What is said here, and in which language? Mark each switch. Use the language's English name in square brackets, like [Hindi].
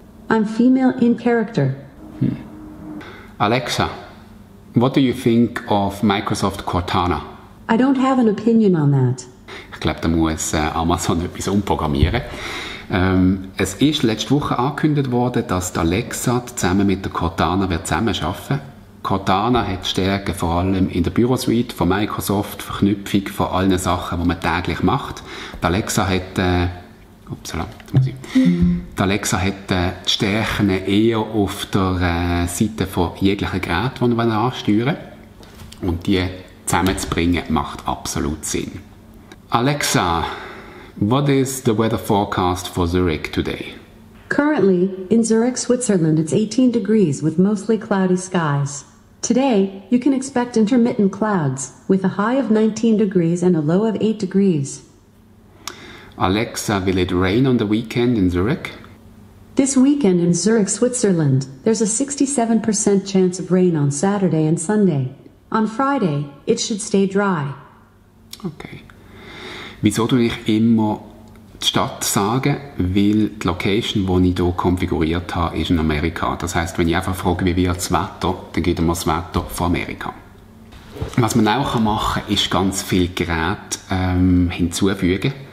[English] I'm female in character. Alexa, what do you think of Microsoft Cortana? I don't have an opinion on that. [German] Ich glaube, da muss Amazon etwas umprogrammieren. Es ist letzte Woche angekündigt worden, dass Alexa zusammen mit der Cortana wird zusammenarbeiten. Cortana hat Stärken vor allem in der Bürosuite von Microsoft, Verknüpfung von allen Sachen, die man täglich macht. Alexa hat Upsala, jetzt muss ich. Die Alexa hat die Stärken eher auf der Seite von jeglichen Geräten, die wir ansteuern. Und die zusammenzubringen, macht absolut Sinn. [English] Alexa, what is the weather forecast for Zurich today? Currently, in Zurich, Switzerland, it's 18 degrees with mostly cloudy skies. Today, you can expect intermittent clouds, with a high of 19 degrees and a low of 8 degrees. Alexa, will it rain on the weekend in Zurich? This weekend in Zurich, Switzerland, there's a 67% chance of rain on Saturday and Sunday. On Friday, it should stay dry. Okay. [German] Wieso tue ich immer die Stadt sagen? Weil die Location, die ich hier konfiguriert habe, ist in Amerika. Das heisst, wenn ich einfach frage, wie wird das Wetter, dann gibt mir das Wetter von Amerika. Was man auch machen kann, ist ganz viele Geräte hinzufügen.